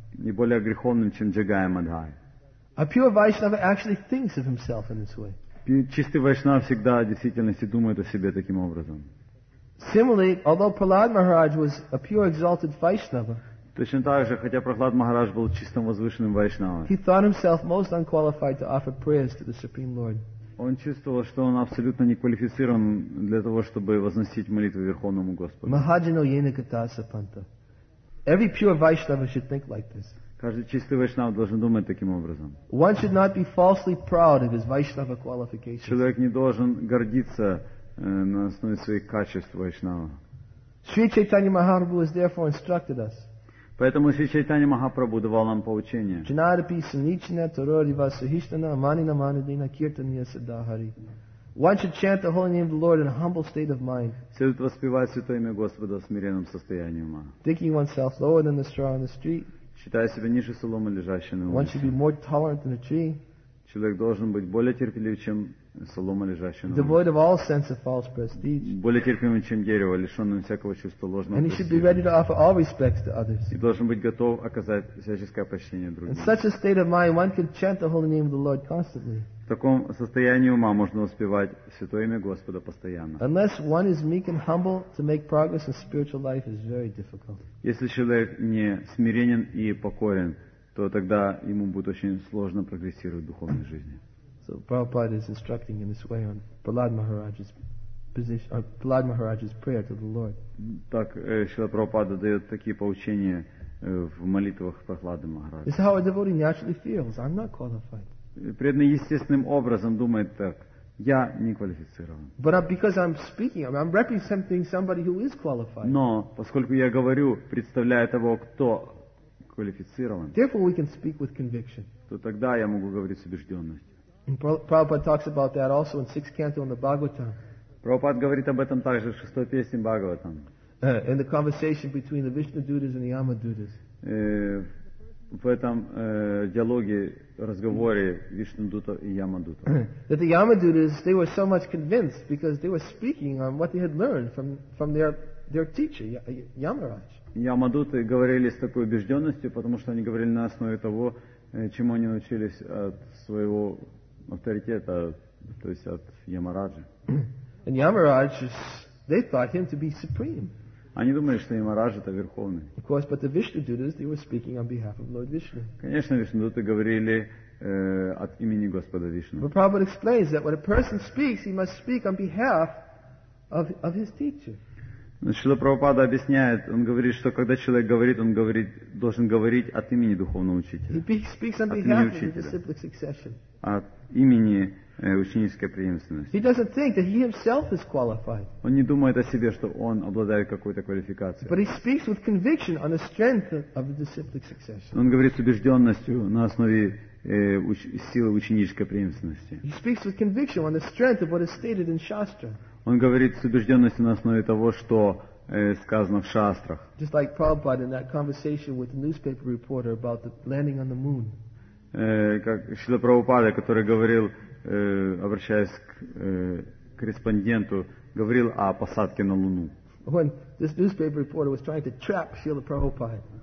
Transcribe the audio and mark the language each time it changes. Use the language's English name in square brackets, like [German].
[Russian] Не более греховным, чем Джагай и Мадхай. [English] A pure Vaishnava actually thinks of himself in this way. [Russian] Чистый Вайшнав всегда в действительности думает о себе таким образом. [English] Similarly, although Prahlad Maharaj was a pure exalted Vaishnava, [Russian] точно так же, хотя Прохлад Махарадж был чистым возвышенным Вайшнавом, [English] he thought himself most unqualified to offer prayers to the Supreme Lord. [Russian] Он чувствовал, что он абсолютно не квалифицирован для того, чтобы возносить молитву Верховному Господу. [Sanskrit] Mahajano yena katasa panta. [English] Every pure Vaishnava should think like this. [Russian] Каждый чистый Вайшнав должен думать таким образом. [English] One should not be falsely proud of his Vaishnava qualifications. [Russian] Человек не должен гордиться на основе своих качеств Вайшнава. [English] Sri Chaitanya Mahaprabhu has therefore instructed us. [Russian] Поэтому Sri Chaitanya Mahaprabhu давал нам поучение. [Sanskrit] Janarapi sanichana tarodiva sahishtana manina manadina kirtaniya sadahari. [English] One should chant the holy name of the Lord in a humble state of mind. [Russian] Следует воспевать святое имя Господа в смиренном состоянии ума. [English] Thinking oneself lower than the straw on the street. [Russian] Считая себя ниже соломы, лежащей на улице. [English] One should be more tolerant than a tree. [Russian] Человек должен быть более терпелив, чем солома, лежащая на улице. [English] Devoid of all sense of false prestige. [Russian] Более терпелив, чем дерево, лишенное всякого чувства ложного престижа. [English] And he should be ready to offer all respects to others. [Russian] И должен быть готов оказать всяческое почтение другим. [English] In such a state of mind, one can chant the holy name of the Lord constantly. [Russian] В таком состоянии ума можно успевать святое имя Господа постоянно. [English] Unless one is meek and humble, to make progress in spiritual life is very difficult. [Russian] Если человек не смиренен и покорен, то тогда ему будет очень сложно прогрессировать в духовной жизни. [English] So Prabhupada is instructing in this way on Prahlad Maharaj's position, Prahlad Maharaj's prayer to the Lord. [Russian] Так Шрила Прабхупада дает такие поучения в молитвах Прохлады Махараджа. [English] This is how a devotee naturally feels. I'm not qualified. [Russian] Преданный естественным образом думает так: я не квалифицирован. [English] But because I'm speaking, I'm representing somebody who is qualified. [Russian] Но поскольку я говорю, представляя того, кто квалифицирован. [English] Therefore, we can speak with conviction. [Russian] То тогда я могу говорить с убежденностью. [English] Prabhupada talks about that also in 6th canto in the Bhagavatam. [Russian] Прабхупад говорит об этом также в шестой песне Бхагаватам. [English] In the conversation between the Vishnu Dutas and the Yama Dutas. [Russian] В этом диалоге, разговоре Вишну Дута и Яма Дута. [English] That the Yama Dutas, they were so much convinced because they were speaking on what they had learned from their teacher, Yamaraj. [Russian] Яма Дуты говорили с такой убежденностью, потому что они говорили на основе того, чему они научились от своего авторитета, то есть от Ямараджи. [English] And Yamaraj, they thought him to be supreme. [Russian] Они думали, что Ямарадж это верховный. [English] Of course, but the Vishnu Dutas, they were speaking on behalf of Lord Vishnu. [Russian] Конечно, Вишну Дуты говорили от имени Господа Вишну. [English] But Prabhupada explains that when a person speaks, he must speak on behalf of his teacher. [Russian] Шрила Прабхупада объясняет, он говорит, что когда человек говорит, он говорит, должен говорить от имени духовного учителя. [English] He speaks on behalf of the disciplic succession. [Russian] От имени ученической преемственности. [English] He doesn't think that he himself is qualified. [Russian] Он не думает о себе, что он обладает какой-то квалификацией. [English] But he speaks with conviction on the strength of the disciplic succession. [Russian] Он говорит с убежденностью на основе силы ученической преемственности. [English] He speaks with conviction on the strength of what is stated in Shastra. [Russian] Он говорит с убежденностью на основе того, что сказано в шастрах. [English] Just like Prabhupada in that conversation with the newspaper reporter about the landing on the moon. [Russian] Как Шрила Прабхупада, который говорил, обращаясь к корреспонденту, говорил о посадке на Луну. [English] When this newspaper reporter was trying to trap Srila Prabhupada.